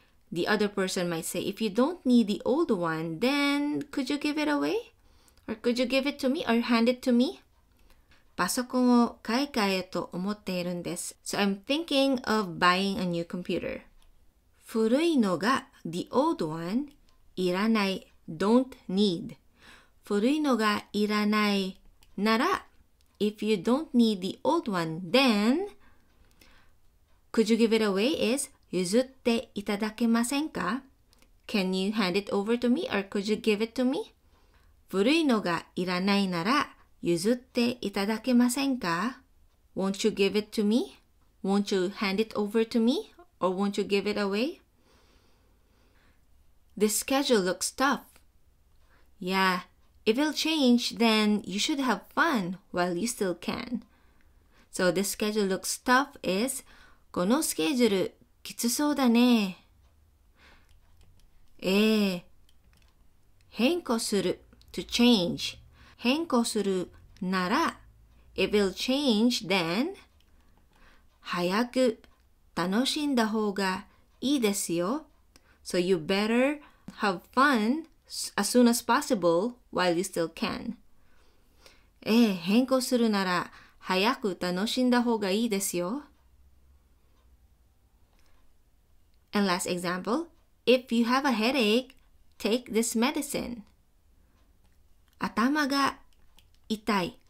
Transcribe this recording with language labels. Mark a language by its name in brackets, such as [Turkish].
[English] The other person might say, if you don't need the old one, then could you give it away? Or could you give it to me or hand it to me? [Japanese] パソコンを買い替えと思っているんです。 [English] So I'm thinking of buying a new computer. 古いのが the old one, いらない don't need. [Japanese] 古いのがいらないなら [English] if you don't need the old one, then... Could you give it away is [Japanese] 譲っていただけませんか? [English] Can you hand it over to me or could you give it to me? [Japanese] 古いのがいらないなら譲っていただけませんか? [English] Won't you give it to me? Won't you hand it over to me? Or won't you give it away? The schedule looks tough. Yeah, if it'll change, then you should have fun while you still can. So the schedule looks tough is, [Japanese] このスケジュールきつそうだね。ええ、変更する to change。変更するなら、 [English] if it'll change, then [Japanese] 早く楽しんだ方がいいですよ。 [English] So you better have fun as soon as possible while you still can. [Japanese] ええ、変更するなら早く楽しんだ方がいいですよ。 [English] And last example, if you have a headache, take this medicine. [Japanese] 頭が痛い。